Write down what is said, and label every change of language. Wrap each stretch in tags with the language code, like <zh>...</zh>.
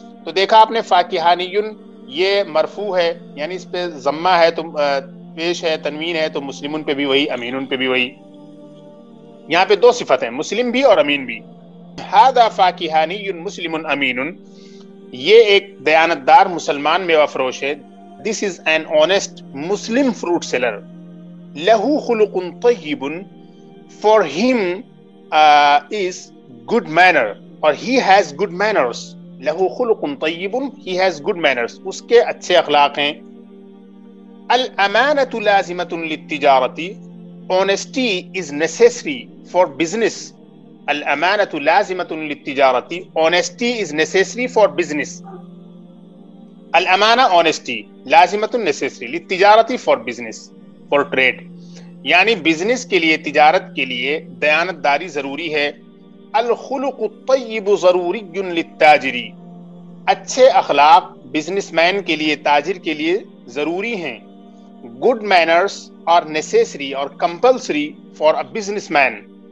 <hi>तो देखा आपने फाकिहानियुन, ये मरफू है यानी इस पे जम्मा है तो पेश है, तनवीन है, तो मुस्लिमुन पे भी वही, अमीनुन पे भी वही. यहाँ पे दो सिफत है, मुस्लिम भी और अमीन भी.</hi> <ar>हादा फाकिहानियुन मुस्लिमुन अमीनुन,</ar> <hi>ये एक दयानतदार मुसलमान मेवा फरोश है.</hi> <en>This is an honest Muslim fruit seller.</en> <ar>लहू खुलुकुन तय्यिबुन,</ar> <en>For him is good manner, or he has good manners.</en> <ar>لَهُ خُلُقٌ طَيِّبٌ,</ar> <en>he has good manners,</en> <hi>उसके अच्छे अखलाक हैं.</hi> <ar>الْأَمَانَةُ لَازِمَةٌ لِلتِّجَارَةِ,</ar> <en>honesty is necessary for business.</en> <ar>الْأَمَانَةُ لَازِمَةٌ لِلتِّجَارَةِ,</ar> <en>honesty is necessary for business. الْأَمَانَةُ honesty, لَازِمَةٌ necessary, لِلتِّجَارَةِ for business, for trade.</en> <hi>यानी business के लिए, तिजारत के लिए दयानतदारी जरूरी है.</hi> <ar>अल खुलुकु तय्यिबु ज़रूरीयुन लित्ताजिरी,</ar> <hi>अच्छे अखलाक बिजनेसमैन के लिए, ताजिर के लिए जरूरी हैं.</hi> <en>Good manners are necessary और compulsory for a businessman.</en>